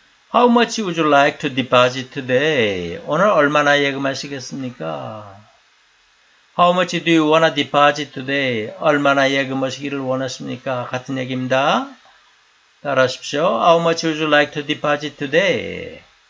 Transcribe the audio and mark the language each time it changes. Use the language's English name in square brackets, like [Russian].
[English] How much would you like to deposit today? [Korean] 오늘 얼마나 예금하시겠습니까? [English] How much do you wanna deposit today? [Korean] 얼마나 예금하시기를 원하십니까? 같은 얘기입니다. 따라하십시오. [English] How much would you like to deposit today?